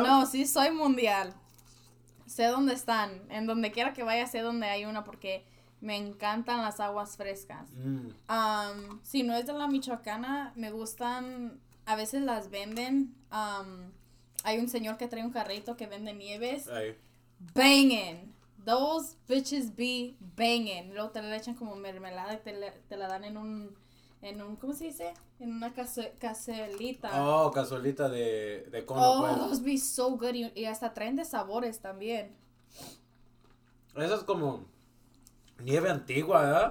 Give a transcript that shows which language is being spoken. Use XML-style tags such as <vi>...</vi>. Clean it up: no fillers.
<es>No, sí soy mundial. Sé dónde están. En donde quiera que vaya, sé dónde hay una porque me encantan las aguas frescas. Mm. Si no es de la Michoacana, me gustan. A veces las venden. Hay un señor que trae un carrito que vende nieves.</es> <en>¡Banging! Those bitches be banging.</en> <es>Luego te la echan como mermelada y te la dan en un, ¿cómo se dice? En una cazuelita. Oh, cazuelita de cono.</es> <en>Oh, pues. Those be so good.</en> <es>Y hasta traen de sabores también. Eso es como nieve antigua, ¿verdad?</es>